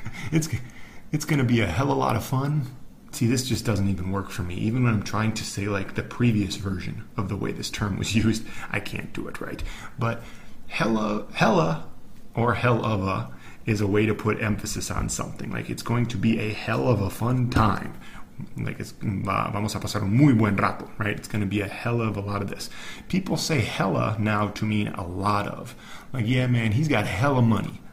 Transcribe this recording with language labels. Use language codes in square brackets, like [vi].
[en] it's going to be a hell of a lot of fun. See, this just doesn't even work for me. Even when I'm trying to say like the previous version of the way this term was used, I can't do it right. But hella or hell of a is a way to put emphasis on something. Like, it's going to be a hell of a fun time. [es] Like, it's vamos a pasar un muy buen rato, right? [en] It's going to be a hell of a lot of this. People say hella now to mean a lot of. Like, yeah, man, he's got hella money.